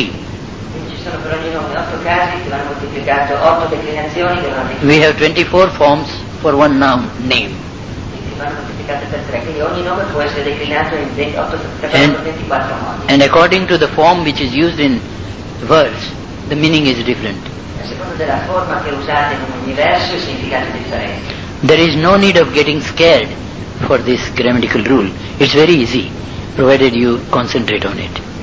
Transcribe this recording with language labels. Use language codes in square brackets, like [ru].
[it] Ci sono per ogni nome 8 casi che vanno moltiplicato, 8 declinazioni che vanno. [en] We have 24 forms for one noun, name. [it] Che vanno moltiplicate per 3, quindi ogni nome può essere declinato in 24 modi. [en] And according to the form which is used in verse, the meaning is different. [it] A seconda della forma che usate in ogni verso, il significato è differente. [en] There is no need of getting scared for this grammatical rule. It's very easy, provided you concentrate on it.